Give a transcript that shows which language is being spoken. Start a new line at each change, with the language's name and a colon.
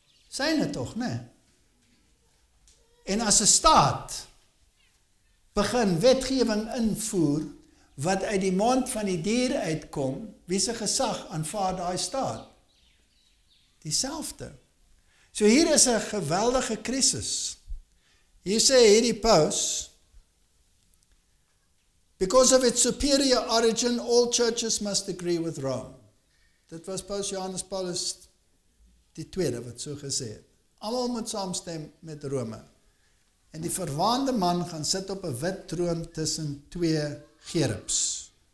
Afrikaans: Syne toch, nee? En as 'n staat begin wetgewing invoer, wat uit die mond van die dier uitkom, wie se gesag aanvaar daai staat? Dieselfde. So hier is 'n geweldige krisis. Hier sê hierdie paus,
English: because of its superior origin, all churches must agree with Rome.
Afrikaans: Dit was paus Johannes Paulus die tweede wat so gesê het. Almal moet saamstem met Rome. En die verwaande man gaan sit op 'n wit troon tussen twee gerubs.